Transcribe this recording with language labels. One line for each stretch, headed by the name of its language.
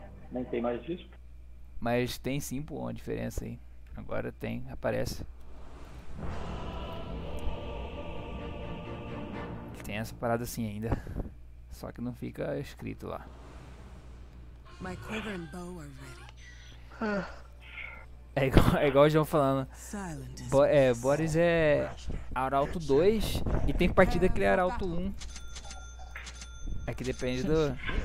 Portuguese: Nem tem mais disso? Mas tem sim, pô, uma diferença aí. Agora tem, aparece. Tem essa parada assim ainda. Só que não fica escrito lá.
English: My quiver and bow are ready.
Portuguese: É igual o João falando. Boris é Arauto 2 e tem partida que ele é Arauto 1. É que depende do...